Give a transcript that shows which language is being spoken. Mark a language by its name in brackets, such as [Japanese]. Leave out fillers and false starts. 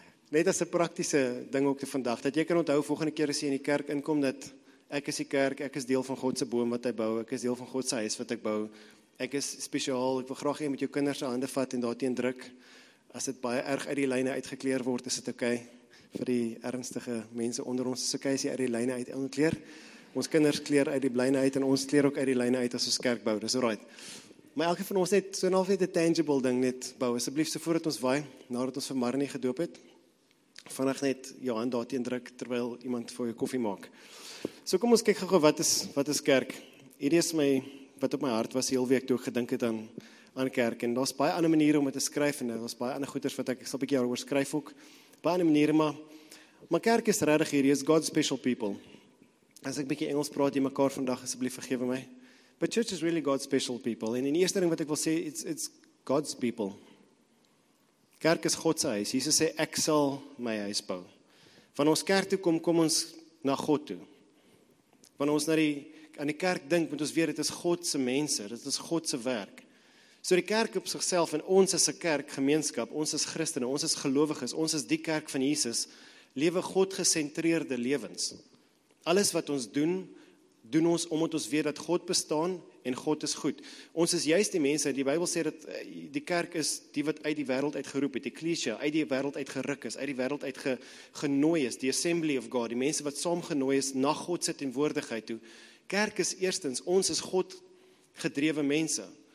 [Afrikaans] Net as 'n praktiese ding ook vandag, dat jy kan onthou volgende keer as jy in die kerk inkom, dat ek is die kerk, ek is deel van God se boom wat hy bou, ek is deel van God se huis wat ek bou. Ek is spesiaal, ek wil graag hê met jou kinders se hande vat en daarteen druk. As dit baie erg uit die lyne uitgekleer word, is dit okay vir die ernstige mense onder ons. Is okay as jy uit die lyne uit kleer. Ons kinders kleer uit die lyne uit en ons kleer ook uit die lyne uit as ons kerk bou. Dis alright. Maar elke van ons net so half net 'n tangible ding net bou. Asseblief so voordat ons waai, nadat ons vir Marnie gedoop het, vinnig net jou hand daarteen druk terwyl iemand vir jou koffie maak. So kom ons kyk gou wat is kerk. Hierdie is my wat op my hart was die heel week toe ek gedink het aan kerk, en daar's baie ander maniere om dit te skryf, en daar's baie ander goeders wat ek sal 'n bietjie oor skryf ook. Baie ander maniere, maar kerk is regtig hierdie, is [English] God's special people. [Afrikaans] As ek 'n bietjie Engels praat hier mekaar vandag, asseblief vergewe my. [English] But church is really God's special people. [Afrikaans] En in die eerste ding wat ek wil sê, [English] it's God's people. [Afrikaans] Kerk is God se huis. Jesus sê, ek sal my huis bou. Van ons kerk toe kom ons na God toe. Wanneer ons aan die kerk dink, moet ons weet, dit is God se mense, dit is God se werk. So die kerk op sigself, en ons is 'n kerk gemeenskap, ons is Christene, ons is gelowiges, ons is die kerk van Jesus, lewe God gesentreerde lewens. Alles wat ons doen, doen ons omdat ons weet dat God bestaan en God is goed. Ons is juist die mense, die Bybel sê dat die kerk is die wat uit die wêreld uitgeroep het, die ecclesia, uit die wêreld uitgeruk is, uit die wêreld uitgenooi is, die [English] assembly of God, [Afrikaans] die mense wat saamgenooi is na God se teenwoordigheid toe. Kerk is eerstens, ons is God gedrewe mense.